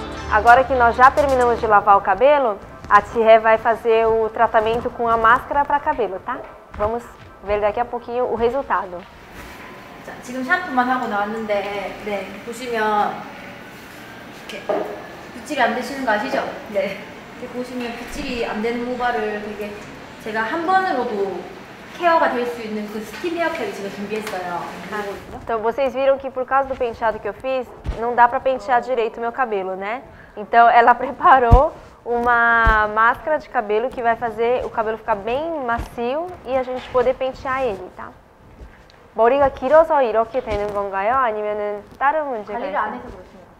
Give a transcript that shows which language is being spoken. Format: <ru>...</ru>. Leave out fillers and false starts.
<pt>Agora que nós já terminamos de lavar o cabelo, a Tihé vai fazer o tratamento com a máscara para cabelo, tá? Vamos ver daqui a pouquinho o resultado.</pt> <ko>자, 지금 샴푸만 하고 나왔는데, 네, 보시면 이렇게 빗질이 안 되시는 거 아시죠? 네. 이렇게 보시면 빗질이 안 되는 모발을 되게 제가 한 번으로도 케어가 될 수 있는 그 스팀 헤어팩을 제가 준비했어요. 그리고...</ko> <pt>Então, vocês viram que por causa do penteado que eu fiz, não dá para pentear direito o meu cabelo, né? Então ela preparou uma máscara de cabelo que vai fazer o cabelo ficar bem macio e a gente poder pentear ele, tá?</pt> <ko>머리가 길어서 이렇게 되는 건가요? 아니면은 다른 문제가 관리를 안 해서 그렇습니다.</ko>